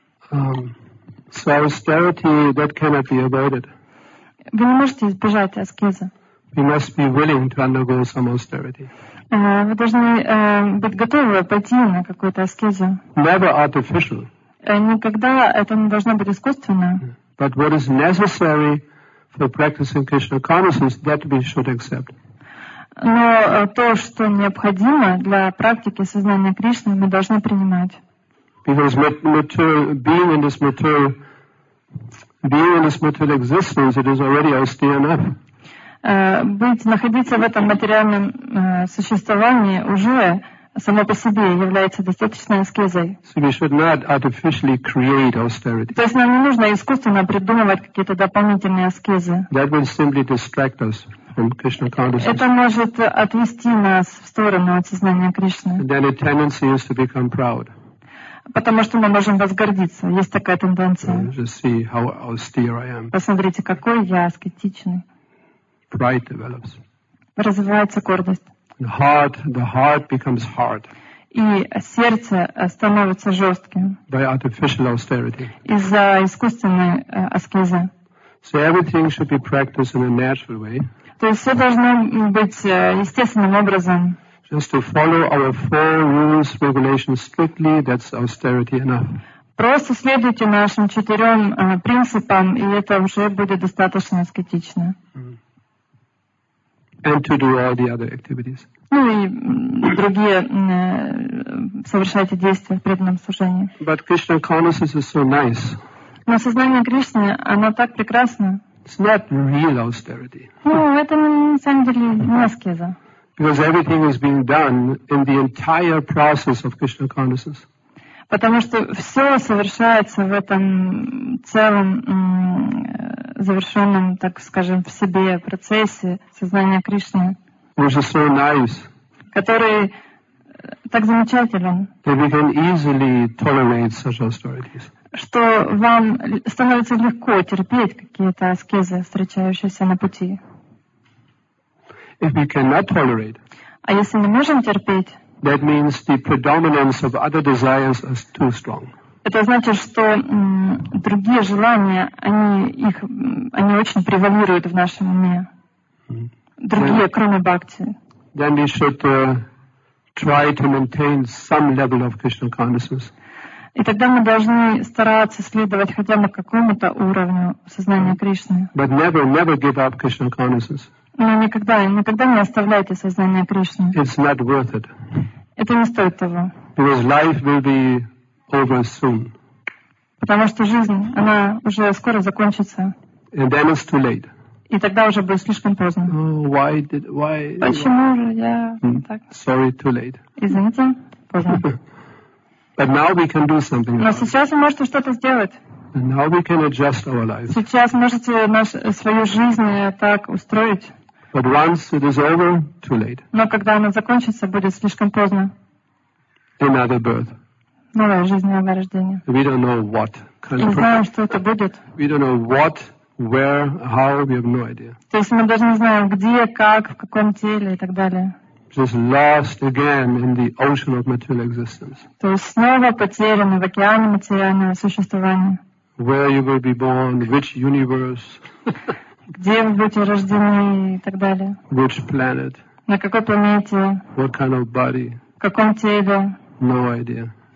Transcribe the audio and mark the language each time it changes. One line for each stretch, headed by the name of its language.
English: So austerity, that cannot be avoided.
Russian: Вы не можете избежать аскезы.
English: we must be willing to undergo some austerity.
Russian: Вы должны быть готовы пойти на какую-то аскезу.
English: Never artificial.
Russian: Никогда это не должно быть искусственно.
English: But what is necessary for practicing Krishna consciousness, that we should accept.
Russian: Но то, что необходимо для практики сознания Кришны, мы должны принимать.
English: Because being in this material existence, it is already austere enough.
Russian: Находиться в этом материальном существовании уже само по себе является достаточной аскезой.
English: So we should not artificially create austerity.
Russian: То есть нам не нужно искусственно придумывать какие-то дополнительные аскезы.
English: That will simply distract us from Krishna consciousness.
Russian: Это может отвести нас в сторону от сознания Кришны.
English: And then a tendency is to become proud.
Russian: Потому что мы можем возгордиться. Есть такая тенденция.
English: Just see how austere I am.
Russian: Посмотрите, какой я аскетичный.
English: Pride develops.
Russian: Развивается гордость.
English: The heart becomes hard.
Russian: И сердце становится жестким.
English: By artificial austerity.
Russian: Из-за искусственной аскезы.
English: So everything should be practiced in a natural way.
Russian: То есть все должно быть естественным образом.
English: Just to follow our four rules, regulations strictly, that's austerity enough.
Russian: Просто следуйте нашим четырем принципам, и это уже будет достаточно аскетично.
English: And to do all the other activities.
Russian: Ну и другие совершайте действия в преданном служении.
English: But Krishna consciousness is so nice.
Russian: Но сознание Кришны, оно так прекрасно.
English: It's not real austerity.
Russian: Ну, это на самом деле не аскеза.
English: Because everything is being done in the entire process of Krishna consciousness.
Russian: Потому что все совершается в этом целом завершенном, так скажем, в себе процессе сознания Кришны.
English: Which is so nice.
Russian: Который так замечателен.
English: That we can easily tolerate such austerities.
Russian: Что вам становится легко терпеть какие-то аскезы, встречающиеся на пути.
English: If we cannot tolerate,
Russian: а если не можем терпеть,
English: that means the predominance of other desires is too strong.
Russian: Это значит, что другие желания, они очень превалируют в нашем уме. Другие,
English: then,
Russian: кроме бхакти.
English: Then we should try to maintain some level of Krishna consciousness.
Russian: И тогда мы должны стараться следовать хотя бы какому-то уровню сознания Кришны.
English: But never give up Krishna consciousness.
Russian: Но никогда не оставляйте сознание Кришны.
English: It's not worth it.
Russian: Это не стоит того.
English: Because life will be over soon.
Russian: Потому что жизнь, она уже скоро закончится.
English: And then it's too late.
Russian: И тогда уже будет слишком поздно.
English: Oh, why?
Russian: Почему же я так?
English: Sorry, too late.
Russian: Извините, поздно.
English: But now we can do something.
Russian: Но сейчас вы можете что-то сделать.
English: And now we can adjust our lives.
Russian: Сейчас можете свою жизнь так устроить.
English: But once it is over, too late.
Russian: Но когда она закончится, будет слишком поздно.
English: Another birth.
Russian: Новая жизнь, новое рождение.
English: We don't know what.
Russian: Не знаем, что это будет.
English: We don't know what, where, how. We have no idea.
Russian: То есть мы даже не знаем, где, как, в каком теле и так далее.
English: Just lost again in the ocean of material existence.
Russian: То есть снова потеряны в океане материального существования.
English: Where you will be born, which universe?
Russian: Где вы будете рождены и так далее?
English: Which planet?
Russian: На какой планете?
English: What kind of body?
Russian: В каком теле?
English: No idea.